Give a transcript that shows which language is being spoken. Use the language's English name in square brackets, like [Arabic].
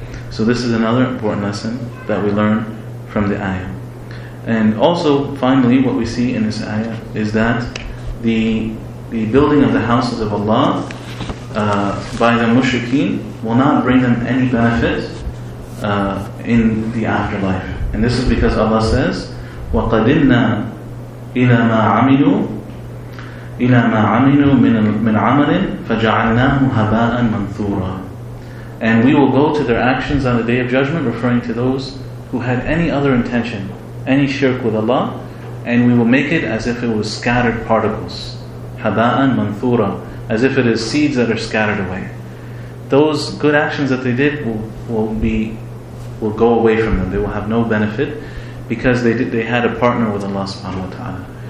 [English] So this is another important lesson that we learn from the ayah. And also, finally, what we see in this ayah is that the building of the houses of Allah by the mushrikeen will not bring them any benefit in the afterlife. And this is because Allah says, [Arabic] وَقَدِمْنَا إِلَى مَا عَمِلُوا إِلَى مَا عَمِلُوا مِنْ عَمَلٍ فَجَعَلْنَاهُ هَبَاءً مَنْثُورًا. [English] And we will go to their actions on the Day of Judgment, referring to those who had any other intention, any shirk with Allah, and we will make it as if it was scattered particles. [Arabic] هَبَاءً مَنْثُورًا. [English] As if it is seeds that are scattered away. Those good actions that they did will go away from them. They will have no benefit because they had a partner with Allah subhanahu wa ta'ala.